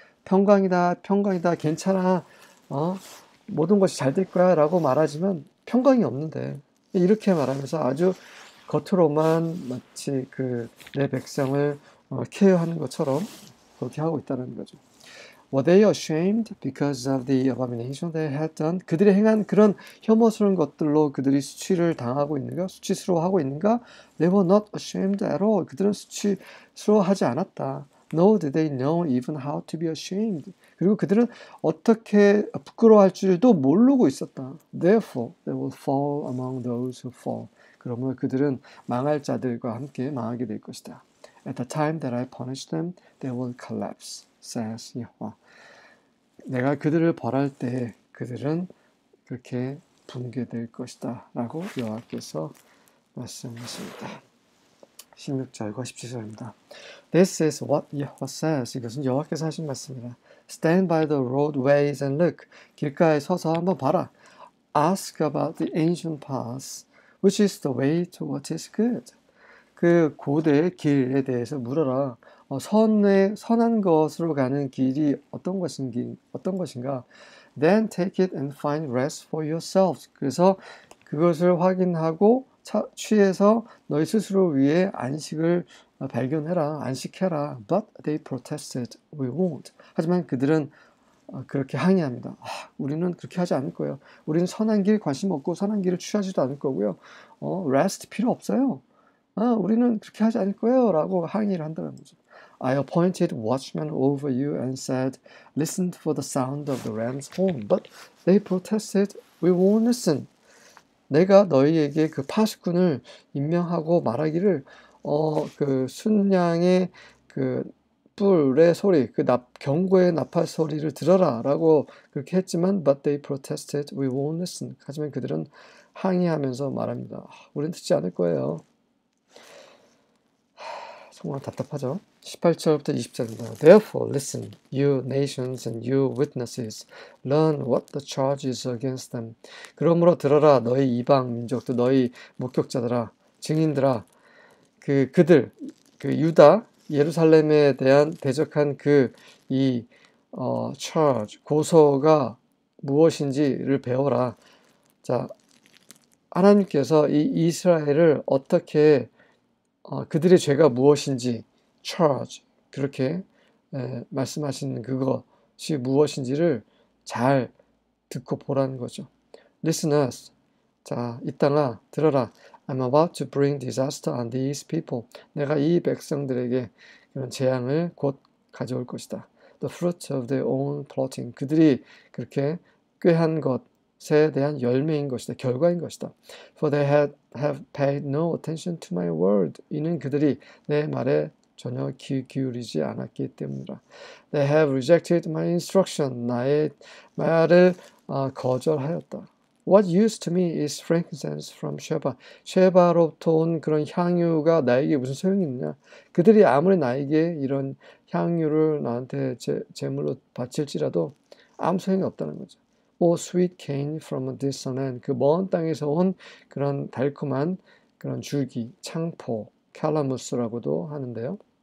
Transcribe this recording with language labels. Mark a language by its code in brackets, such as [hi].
[ko] 평강이다, 평강이다, 괜찮아, 모든 것이 잘 될 거야 라고 말하지만 평강이 없는데 이렇게 말하면서 아주 겉으로만 마치 그 내 백성을 케어하는 것처럼 그렇게 하고 있다는 거죠. [en] Were they ashamed because of the abomination they had done? [ko] 그들이 행한 그런 혐오스러운 것들로 그들이 수치를 당하고 있는가? 수치스러워하고 있는가? [en] They were not ashamed at all. [ko] 그들은 수치스러워하지 않았다. [en] Nor did they know even how to be ashamed. [ko] 그리고 그들은 어떻게 부끄러워할 줄도 모르고 있었다. [en] Therefore, they will fall among those who fall. [ko] 그러므로 그들은 망할 자들과 함께 망하게 될 것이다. [en] At the time that I punish them, they will collapse, says Yahweh. [ko] 내가 그들을 벌할 때 그들은 그렇게 붕괴될 것이다 라고 여호와께서 말씀하십니다. 16절과 17절입니다. [en] This is what Yahweh says. [ko] 이것은 여호와께서 하신 말씀이라. [en] Stand by the roadways and look. [ko] 길가에 서서 한번 봐라. [en] Ask about the ancient paths, which is the way to what is good. [ko] 그 고대 길에 대해서 물어라. 선한 것으로 가는 길이 어떤 것인가? [en] Then take it and find rest for yourselves. [ko] 그래서 그것을 확인하고 취해서 너희 스스로 위해 안식을 발견해라. 안식해라. [en] But they protested. We won't. [ko] 하지만 그들은 그렇게 항의합니다. 우리는 그렇게 하지 않을 거예요. 우리는 선한 길 관심 없고 선한 길을 취하지도 않을 거고요. Rest 필요 없어요. 우리는 그렇게 하지 않을 거예요 라고 항의를 한다는 거죠. [en] I appointed watchmen over you and said, listen for the sound of the ram's horn, but they protested, we won't listen. [ko] 내가 너희에게 그 파수꾼을 임명하고 말하기를 그 순양의 그 뿔의 소리, 그 경고의 나팔 소리를 들어라 라고 그렇게 했지만 [en] but they protested, we won't listen. [ko] 하지만 그들은 항의하면서 말합니다. 우리는 듣지 않을 거예요. 정말 답답하죠. 18절부터 20절입니다. [en] Therefore, listen, you nations and you witnesses, learn what the charge is against them. [ko] 그러므로 들어라, 너희 이방 민족도, 너희 목격자들아, 증인들아, 그들, 그 유다, 예루살렘에 대한 대적한 charge, 고소가 무엇인지를 배워라. 자, 하나님께서 이 이스라엘을 어떻게 그들의 죄가 무엇인지 charge 그렇게 말씀하신 그것이 무엇인지를 잘 듣고 보라는 거죠. [en] Listen us. [ko] 자, 이 땅아 들어라. [en] I'm about to bring disaster on these people. [ko] 내가 이 백성들에게 이런 재앙을 곧 가져올 것이다. [en] The fruit of their own plotting. [ko] 그들이 그렇게 꾀한 것 새에 대한 열매인 것이다. 결과인 것이다. [en] For they have paid no attention to my word. [ko] 이는 그들이 내 말에 전혀 귀 기울이지 않았기 때문이라. [en] They have rejected my instruction. [ko] 나의 말을 거절하였다. [en] What use to me is frankincense from Sheba? [ko] 쉐바로부터 온 그런 향유가 나에게 무슨 소용이 있느냐? 그들이 아무리 나에게 이런 향유를 나한테 제물로 바칠지라도 아무 소용이 없다는 거죠. [en] Oh, sweet cane from a distant land. [ko] 그 먼 땅에서 온 그런 달콤한 그런 줄기, 창포, 칼라무스라고도 하는데요.